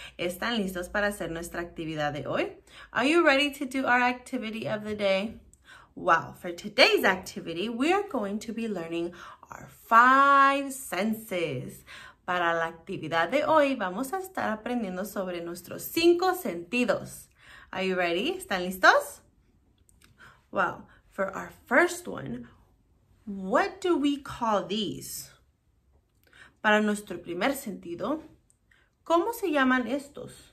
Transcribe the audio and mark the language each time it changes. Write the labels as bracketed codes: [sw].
[es] ¿Están listos para hacer nuestra actividad de hoy? [en] Are you ready to do our activity of the day? Well, for today's activity, we are going to be learning our five senses. [es] Para la actividad de hoy, vamos a estar aprendiendo sobre nuestros cinco sentidos. [en] Are you ready? [es] ¿Están listos? [en] Well, for our first one, what do we call these? [es] Para nuestro primer sentido, ¿cómo se llaman estos?